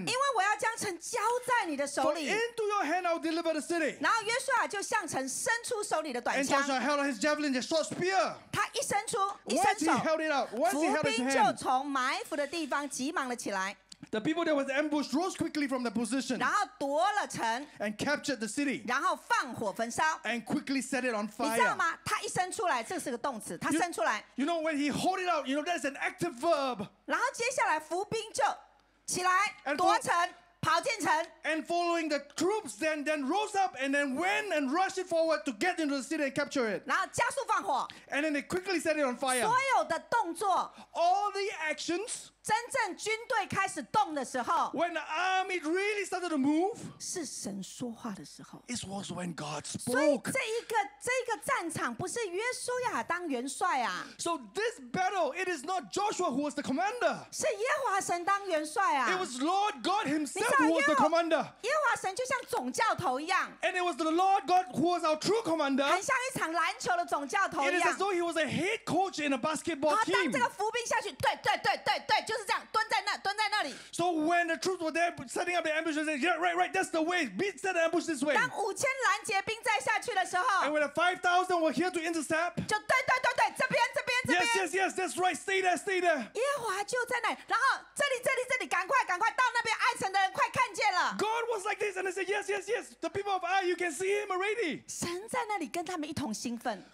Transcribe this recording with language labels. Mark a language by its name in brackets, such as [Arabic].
[Chinese] 因为我要将城交在你的手里。 [English] For into your hand I'll deliver the city. [Chinese] 然后约书亚就向城伸出手里的短枪。 [English] And Joshua held his javelin, his short spear. [Chinese] 他一伸出，一伸手。 [English] Once he held it out. [Chinese] 伏兵就从埋伏的地方急忙了起来。 [English] The people that was ambushed rose quickly from the position. [Chinese] 然后夺了城。 [English] And captured the city. [Chinese] 然后放火焚烧。 [English] And quickly set it on fire. [Chinese] 你知道吗？他一伸出来，这是个动词。他伸出来。 [English] You know when he hold it out, you know that's an active verb. [Chinese] 然后接下来伏兵就起来夺城。跑进城 [English] and following the troops, then rose up and then went and rushed forward to get into the city and capture it. [Chinese] 然后加速放火 [English] and then they quickly set it on fire. [Chinese] 所有的动作 [English] all the actions, [Chinese] 真正军队开始动的时候 [English] when the army really started to move, [Chinese] 是神说话的时候 [English] it was when God spoke. [Chinese] 所以这一个战场不是约书亚当元帅啊 [English] so this battle it is not Joshua who was the commander. [Chinese] 是耶和华神当元帅啊 [English] it was Lord God himself. That was the commander. [Chinese] 耶和华神就像总教头一样。 [English] And it was the Lord God who was our true commander. [Chinese] 很像一场篮球的总教头一样。 [English] It is as though he was a head coach in a basketball team. [Chinese] 当这个伏兵下去，对对对对对，就是这样，蹲在那，蹲在那里。 [English] So when the troops were there setting up the ambush, they said, "Yeah, right, right, that's the way. Beat set the ambush this way." [Chinese] 当五千拦截兵再下去的时候 [English] ，And when the 5,000 were here to intercept, [Chinese] 就对对对对，这边这边这边。 [English] Yes, yes, yes, that's right. Stay there, stay there. [Chinese] 耶和华就在那里，然后这里这里这里，赶快赶快到那边，爱城的人快看见了。 [English] God was like this, and they said, "Yes, yes, yes." The people of Ai, you can see him already. [Chinese] 神在那里跟他们一同兴奋。